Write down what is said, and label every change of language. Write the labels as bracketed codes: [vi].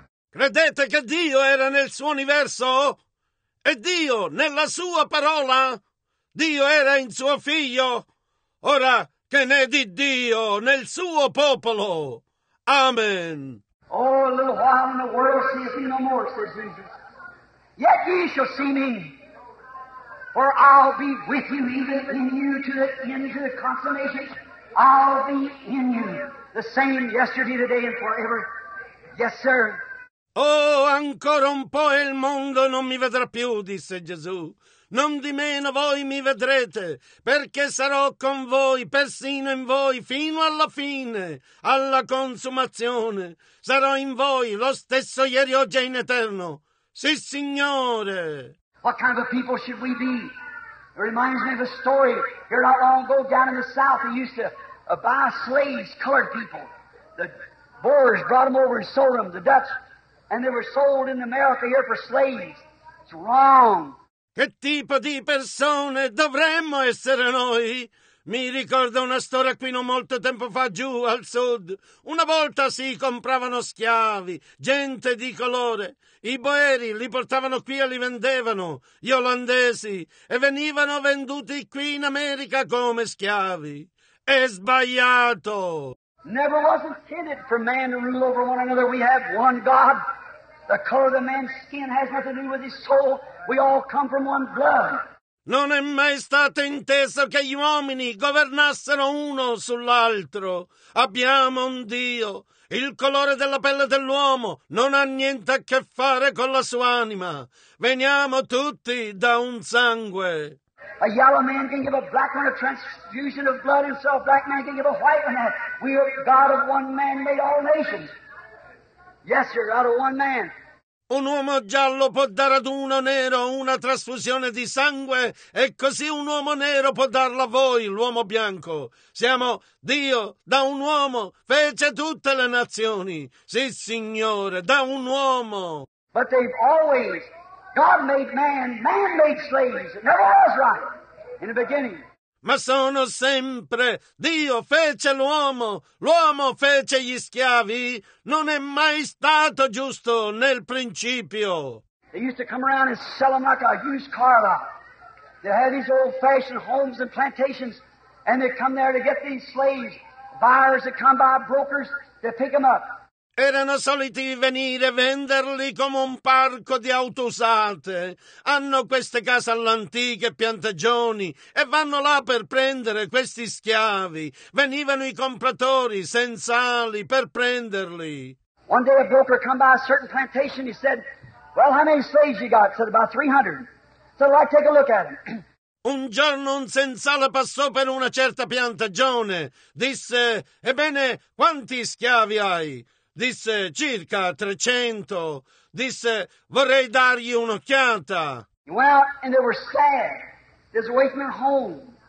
[it] Credete che Dio era nel suo universo? E Dio nella sua parola? Dio era in suo figlio? Ora che ne è di Dio nel suo popolo? Amen. [en] Oh, a little while in the world sees me no more, says Jesus. Yet ye shall see me, for I'll be with you, even in you, to the end, to the consummation. I'll be in you, the same yesterday, today, and forever. Yes, sir. [it] Oh, ancora un po' e il mondo non mi vedrà più, disse Gesù. Non di meno voi mi vedrete, perché sarò con voi, persino in voi, fino alla fine, alla consumazione. Sarò in voi, lo stesso ieri, oggi e in eterno. Sì, Signore. [en] What kind of a people should we be? It reminds me of a story here not long ago down in the South. They used to buy slaves, colored people. The Boers brought them over and sold them, the Dutch. And they were sold in America here for slaves. It's wrong. [it] Che tipo di persone dovremmo essere noi? Mi ricordo una storia qui non molto tempo fa giù al sud. Una volta si compravano schiavi, gente di colore. I boeri li portavano qui e li vendevano, gli olandesi, e venivano venduti qui in America come schiavi. È sbagliato! [en] Never was intended for man to rule over one another. We have one God. The color of the man's skin has nothing to do with his soul. We all come from one blood. [it] Non è mai stato inteso che gli uomini governassero uno sull'altro. Abbiamo un Dio. Il colore della pelle dell'uomo non ha niente a che fare con la sua anima. Veniamo tutti da un sangue. [en] A yellow man can give a black one a transfusion of blood himself. Black man can give a white one that. We are God of one man made all nations. Yes, sir, out of one man. [it] Un uomo giallo può dare ad uno nero una trasfusione di sangue e così un uomo nero può darla a voi, l'uomo bianco. Siamo Dio, da un uomo, fece tutte le nazioni. Sì, Signore, da un uomo. [en] But they've always, God made man made slaves. It never was right in the beginning. [it] Ma sono sempre, Dio fece l'uomo fece gli schiavi, non è mai stato giusto nel principio. [en] They used to come around and sell them like a used car lot. They had these old-fashioned homes and plantations, and they'd come there to get these slaves, buyers that come by, brokers, to pick them up. [it] Erano soliti venire a venderli come un parco di auto usate. Hanno queste case all'antiche, piantagioni, e vanno là per prendere questi schiavi. Venivano i compratori sensali per prenderli. [en] One day a broker come by a certain plantation, he said, well, how many slaves you got? Said, about 300. Said, well, I'll take a look at them. [it] Un giorno un sensale passò per una certa piantagione. Disse, ebbene, quanti schiavi hai? Disse, circa 300. Disse, vorrei dargli un'occhiata. [en] He went out and they were sad. They were away from their home.